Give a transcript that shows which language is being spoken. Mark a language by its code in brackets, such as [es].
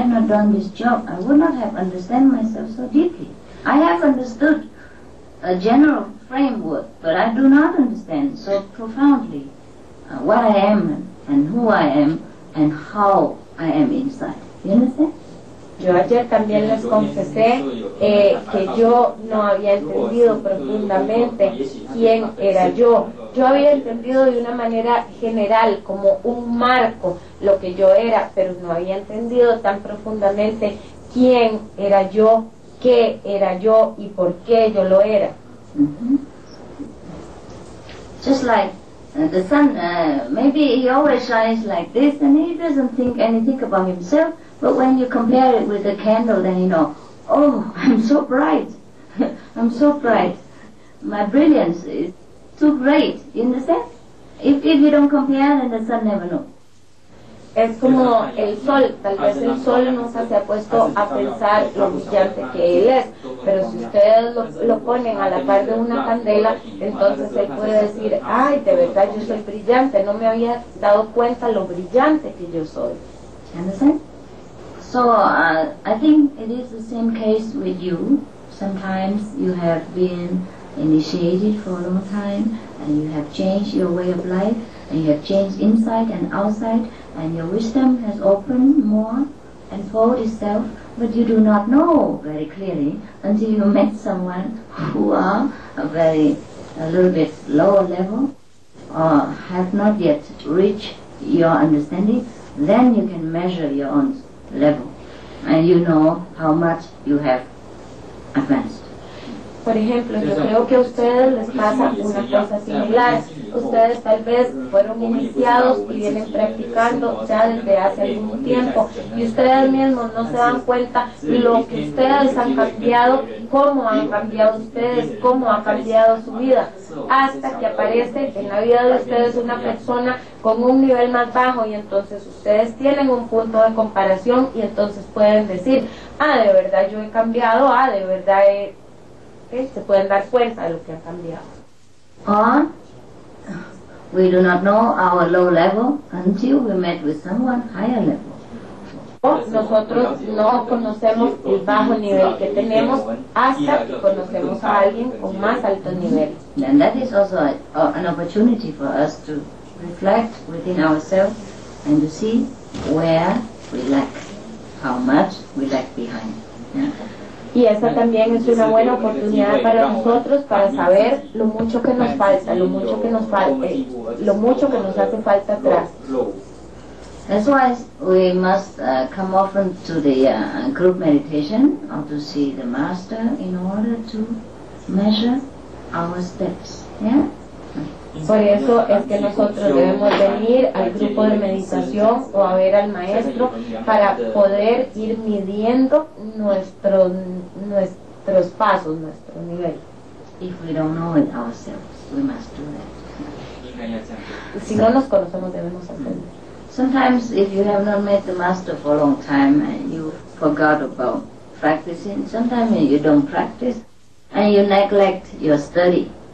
[en] Done this job, I would not have understood myself so deeply. I have understood a general framework, but I do not understand so profoundly what I am and who I am and how I am inside. You understand? [es] Yo ayer también les confesé que yo no había entendido profundamente quién era yo. Yo había entendido de una manera general, como un marco, lo que yo era, pero no había entendido tan profundamente quién era yo, qué era yo y por qué yo lo era. Mm-hmm. [en] Just like the sun, maybe he always shines like this and he doesn't think anything about himself. But when you compare it with a candle, then you know, oh, I'm so bright, I'm so bright. My brilliance is too great, you understand? If you don't compare, then the sun never knows. [es] Es como el sol, tal vez el sol nos hace puesto a pensar lo brillante que él es, pero si ustedes lo ponen a la par de una candela, entonces él puede decir, ay, de verdad yo soy brillante, no me había dado cuenta lo brillante que yo soy. ¿Entienden? [en] So I think it is the same case with you. Sometimes you have been initiated for a long time and you have changed your way of life and you have changed inside and outside and your wisdom has opened more and fold itself, but you do not know very clearly until you met someone who are a little bit lower level or have not yet reached your understanding. Then you can measure your own level, and you know how much you have advanced. [es] Por ejemplo, yo creo que a ustedes les pasa una cosa similar. ustedes tal vez fueron iniciados y vienen practicando ya desde hace algún tiempo, y ustedes mismos no se dan cuenta lo que ustedes han cambiado, cómo han cambiado ustedes, cómo ha cambiado su vida, hasta que aparece en la vida de ustedes una persona con un nivel más bajo, y entonces ustedes tienen un punto de comparación y entonces pueden decir, ah, de verdad yo he cambiado, ah, de verdad he... Se pueden dar cuenta de lo que ha cambiado. [en] Ah, we do not know our low level until we met with someone higher level. [es] Nosotros no conocemos el bajo nivel que tenemos hasta que conocemos a alguien con más alto nivel. [en] And that is also an opportunity for us to reflect within ourselves and to see where we lack, how much we lack behind. [es] Y esa también es una buena oportunidad para nosotros para saber lo mucho que nos falta, lo mucho que nos falta, lo mucho que nos hace falta atrás. [en] That's why we must come often to the group meditation or to see the master in order to measure our steps. Yeah? [es] Por eso es que nosotros debemos venir al grupo de meditación o a ver al maestro para poder ir midiendo nuestros pasos, nuestro nivel. [en] If we don't know it ourselves, we must do that. [es] Si no nos conocemos, debemos aprender. [en] Sometimes if you have not met the master for a long time and you forgot about practicing, sometimes you don't practice and you neglect your study.